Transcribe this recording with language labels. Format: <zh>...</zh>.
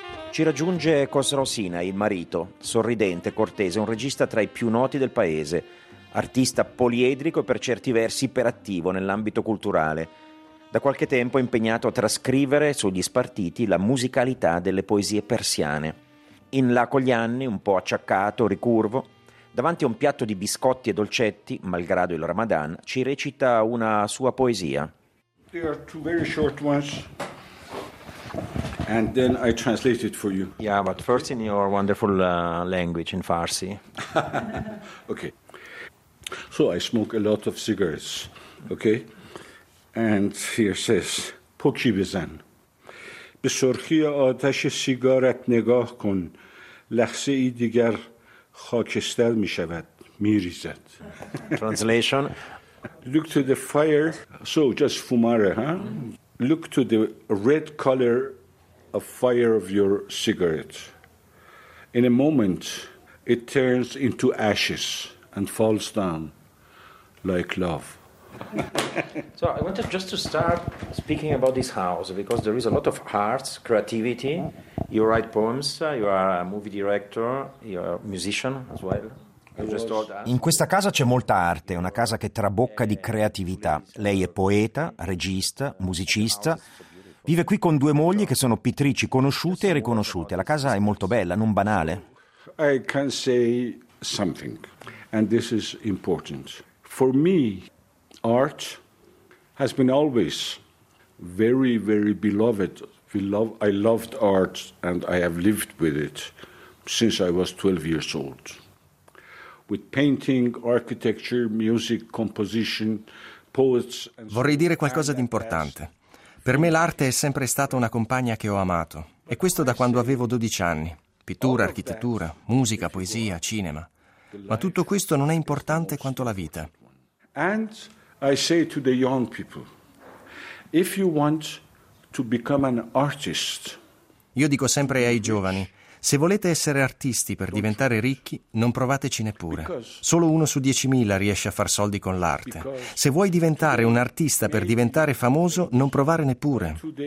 <it>Ci raggiunge Khosrow Sinai, il marito, sorridente, cortese, un regista tra i più noti del paese, artista poliedrico e per certi versi iperattivo nell'ambito culturale, da qualche tempo impegnato a trascrivere sugli spartiti la musicalità delle poesie persiane. In là con gli anni, un po' acciaccato, ricurvo, davanti a un piatto di biscotti e dolcetti, malgrado il Ramadan, ci recita una sua poesia.</it> <en>They are two very short ones. And then I translate it for you. Yeah, but first in your wonderful language, in Farsi. Okay. So I smoke a lot of cigarettes, okay? And here says,</en> <fa>پوکی بزن. به سرخی آتش سیگارت نگاه کن. لحظه ای دیگر خاکستر می شود. می ریزد.</fa> <en>Translation. Look to the fire. So just fumare, huh? Look to the red color a fire of your cigarette. In a moment, it turns into ashes. and falls down like love. So I wanted just to start speaking about this house, because there is a lot of arts, creativity. You write poems, you are a movie director, you are a musician as well.</en> <it>In questa casa c'è molta arte, una casa che trabocca di creatività. Lei è poeta, regista, musicista. Vive qui con due mogli che sono pittrici conosciute e riconosciute. La casa è molto bella, non banale.</it> <en>I can say something, and this is important. For me, art has been always very, very beloved. I loved art and I have lived with it since I was 12 years old. With painting, architecture, music, composition, poets.</en> <it>Vorrei dire qualcosa di importante. Per me l'arte è sempre stata una compagna che ho amato, e questo da quando avevo 12 anni. Pittura, architettura, musica, poesia, cinema. Ma tutto questo non è importante quanto la vita.</it> <en>And I say to the young people, if you want to become an artist.</en> <it>Io dico sempre ai giovani: se volete essere artisti per diventare ricchi, non provateci neppure. Solo uno su 10.000 riesce a far soldi con l'arte. Se vuoi diventare un artista per diventare famoso, non provare neppure.</it>